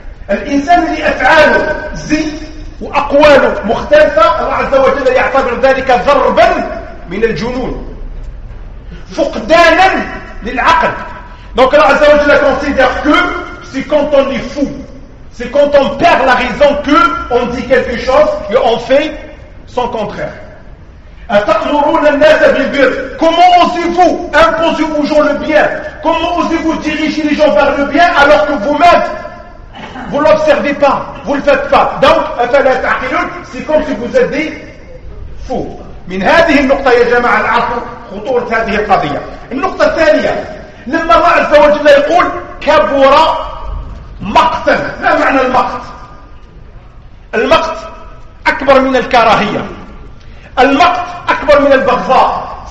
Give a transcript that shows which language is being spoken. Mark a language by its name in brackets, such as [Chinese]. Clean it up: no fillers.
[Arabic] الإنسان اللي أفعاله زي وأقواله مختلفة، الله عز وجل يعتبر ذلك ضربا من الجنون، فقدانا للعقل. [French] Donc الله عز وجل considère que c'est quand on est fou, c'est quand on perd la raison que on dit quelque chose et on fait son contraire. [Arabic] أتأمرون الناس بالبر. [French] Comment osez-vous imposer aux gens le bien? Comment osez-vous diriger les gens vers le bien alors que vous-même vous ne l'observez pas, vous ne le faites pas. Donc, c'est comme si vous êtes des fous. [Arabic] من هذه النقطة يا جماعة العصر خطورة هذه القضية. النقطة الثانية، لما الله عز وجل يقول كبر مقتا، ما معنى المقت؟ المقت أكبر من الكراهية، المقت أكبر من البغضاء.